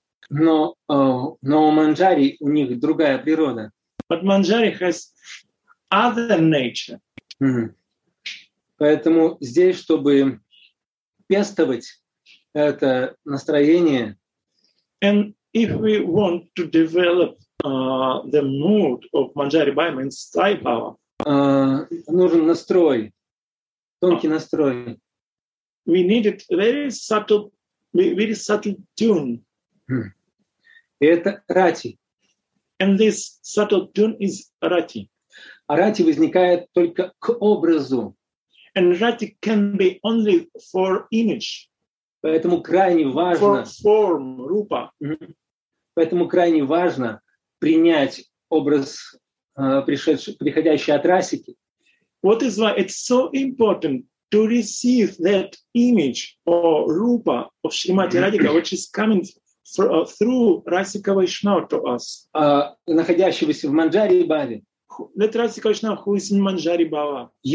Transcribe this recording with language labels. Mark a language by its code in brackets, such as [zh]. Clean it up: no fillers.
[ru] Но у Манджари у них другая природа. [en] But Manjari has other nature. Mm-hmm. [ru] Поэтому здесь, чтобы пестовать это настроение, [en] and if we want to develop the mood of Manjari by means of Sthayi Bhava, [ru] нужен настрой, тонкий настрой. [en] We needed very subtle tune. [ru] Это рати. [en] And this subtle tune is rati. [ru] А рати возникает только к образу. [en] And rati can be only for image. [ru] Поэтому крайне важно. [en] For form, rupa. [ru] Поэтому крайне важно принять образ, приходящий от расики. [en] What is why it's so important to receive that image or rupa of Srimati Radhika, which is coming through Rasika Vaishnava to us. [ru] Находящегося в Манджари Бхаве. [en] That Rasika Vaishnava who is in Manjari Bhava.